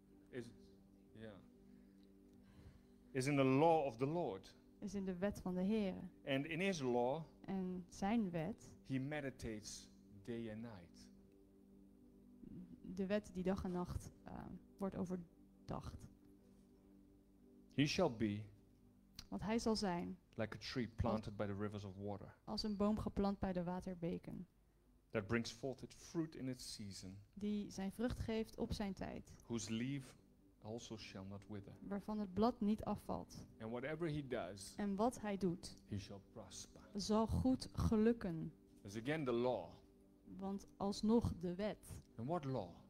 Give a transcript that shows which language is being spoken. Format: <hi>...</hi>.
<en>Is. Ja. Yeah. Is in the law of the Lord.</en> <nl>Is in de wet van de Heer.</nl> <en>And in his law.</en> <nl>En zijn wet.</nl> <en>He meditates day and night.</en> <nl>De wet die dag en nacht wordt overdacht.</nl> <en>He shall be.</en> <nl>Want hij zal zijn.</nl> <en>Like a tree planted by the rivers of water.</en> <nl>Als een boom geplant bij de waterbeken.</nl> <en>That brings forth its fruit in its season.</en> <nl>Die zijn vrucht geeft op zijn tijd.</nl> <en>Whose leaf also shall not wither.</en> <nl>Waarvan het blad niet afvalt.</nl> <en>And whatever he does.</en> <nl>En wat hij doet.</nl> <en>He shall prosper.</en> <nl>Zal goed gelukken.</nl> <en>Is again the law.</en> <nl>Want alsnog de wet.</nl> <en>And what law?</en>